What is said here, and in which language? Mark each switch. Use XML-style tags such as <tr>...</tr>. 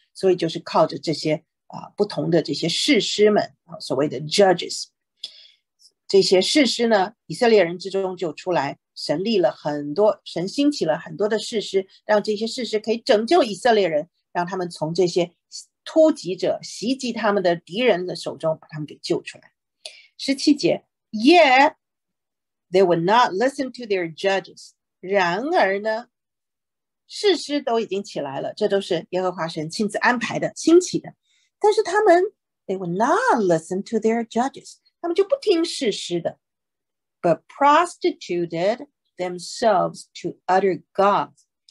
<zh>所以就是靠着这些啊不同的这些士师们啊，所谓的 judges， 这些士师呢，以色列人之中就出来，神立了很多，神兴起了很多的士师，让这些士师可以拯救以色列人，让他们从这些突击者袭击他们的敌人的手中把他们给救出来。十七节</zh> <en>，Yet they would not listen to their judges。</en> <zh>然而呢，士师都已经起来了，这都是耶和华神亲自安排的、兴起的。但是他们 ，</zh> <en>they would not listen to their judges，</en> <zh>他们就不听士师的。</zh> <en>But prostituted themselves to other gods。</en>